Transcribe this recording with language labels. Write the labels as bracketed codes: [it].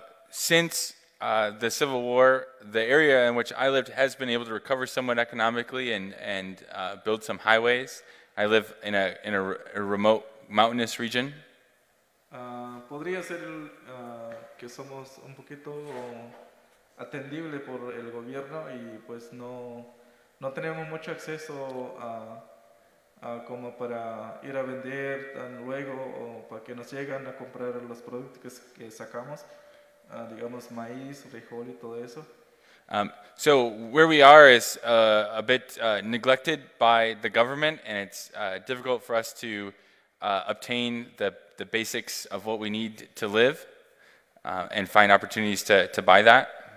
[en] Since the Civil War, the area in which I lived has been able to recover somewhat economically and build some highways. I live in a remote mountainous region. [es] Podría ser que somos un poquito atendible por el gobierno y pues no tenemos mucho acceso a como para ir a vender tan luego o para que nos lleguen a comprar los productos que sacamos, digamos maíz, frijol y todo eso. [en] So where we are is a bit neglected by the government, and it's difficult for us to obtain the basics of what we need to live and find opportunities to buy that.